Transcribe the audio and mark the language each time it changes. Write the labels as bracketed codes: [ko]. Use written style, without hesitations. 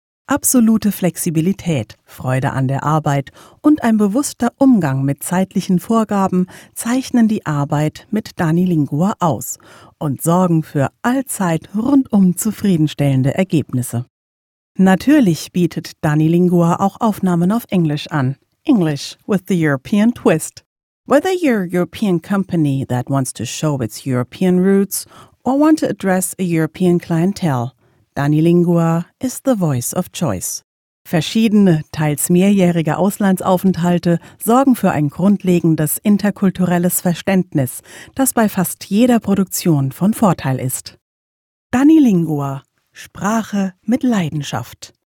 [de] Absolute Flexibilität, Freude an der Arbeit und ein bewusster Umgang mit zeitlichen Vorgaben zeichnen die Arbeit mit Danilingua aus und sorgen für allzeit rundum zufriedenstellende Ergebnisse. Natürlich bietet Danilingua auch Aufnahmen auf Englisch an. [en] English with the European twist. Whether you're a European company that wants to show its European roots or want to address a European clientele, Danilingua is the voice of choice. [de] Verschiedene, teils mehrjährige Auslandsaufenthalte sorgen für ein grundlegendes interkulturelles Verständnis, das bei fast jeder Produktion von Vorteil ist. Danilingua – Sprache mit Leidenschaft.